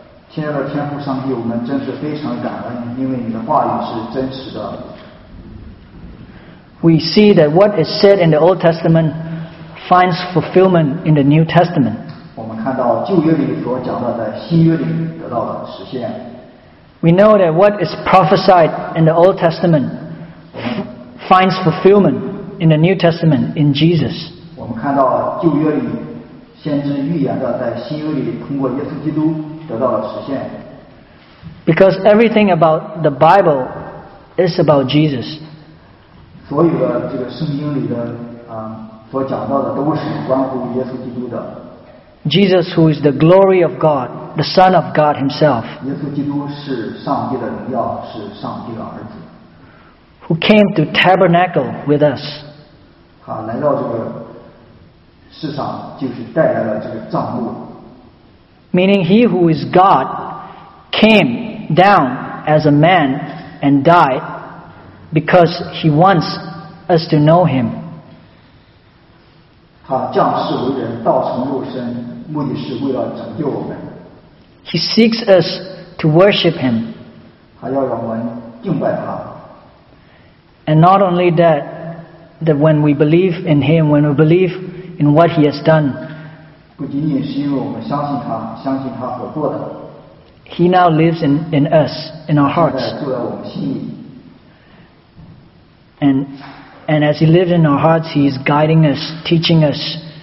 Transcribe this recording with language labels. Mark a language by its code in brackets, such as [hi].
[zh] 亲爱的天父上帝，我们真是非常感恩，因为你的话语是真实的。 [en] we see that what is said in the Old Testament finds fulfillment in the New Testament. [zh] 我们看到旧约里所讲到在新约里得到了实现。 [en] We know that what is prophesied in the Old Testament finds fulfillment in the New Testament in Jesus. [zh] 我们看到旧约里先知预言的在新约里通过耶稣基督得到了实现。 [en] Because everything about the Bible is about Jesus. [zh] 所有的这个圣经里的所讲到的都是关乎耶稣基督的。 [en] Jesus, who is the glory of God, the Son of God Himself, [zh] 耶稣基督是上帝的荣耀，是上帝的儿子。 [en] Who came to tabernacle with us? [zh] 他来到这个世上，就是带来了这个帐幕。 [en] Meaning, He who is God came down as a man and died because He wants us to know Him. [zh] 他降世为人，道成肉身。目的是为了拯救我们。 [en] He seeks us to worship Him. [zh] 他要让我们敬拜他。 [en] And not only that, that when we believe in Him, when we believe in what He has done, [zh] 不仅仅是因为我们相信他，相信他所做的。 [en] He now lives in us, in our hearts. [zh] 现在住在我们心里。 [en] And as He lives in our hearts, He is guiding us, teaching us.